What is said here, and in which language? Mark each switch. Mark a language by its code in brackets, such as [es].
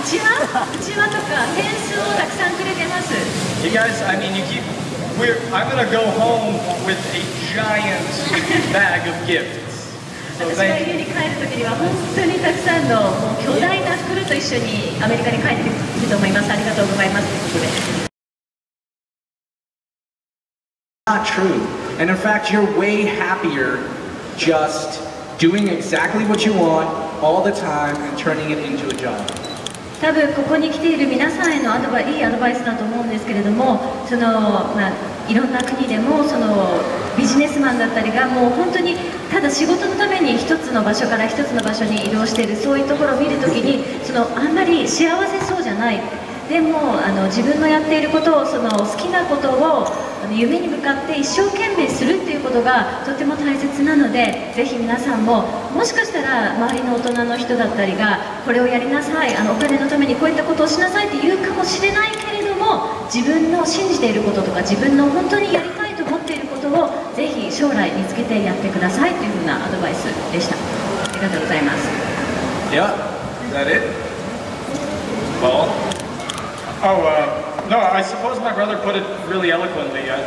[ja] うちわとか、フェンスをたくさんくれてます。 [en] You guys, I mean, I'm gonna go home with a giant bag of gifts. So [ja] 私が家に帰るときには、本当にたくさんの巨大な袋と一緒にアメリカに帰ってくると思います。ありがとうございます。 [en] Not true. And in fact, you're way happier just doing exactly what you want all the time and turning it into a job. [ja] 多分ここに来ている皆さんへのいいアドバイスだと思うんですけれども、いろんな国でもビジネスマンだったりがもう本当にただ仕事のために一つの場所から一つの場所に移動しているそういうところを見るときにあんまり幸せそうじゃない。でも自分のやっていることを好きなことを夢に向かって一生懸命するっていうことがとても大切なのでぜひ皆さんももしかしたら周りの大人の人だったりがこれをやりなさいお金のためにこういったことをしなさいって言うかもしれないけれども自分の信じていることとか自分の本当にやりたいと思っていることをぜひ将来見つけてやってくださいというふうなアドバイスでした。ありがとうございます。では、 [en] is that it? Well, No, I suppose my brother put it really eloquently.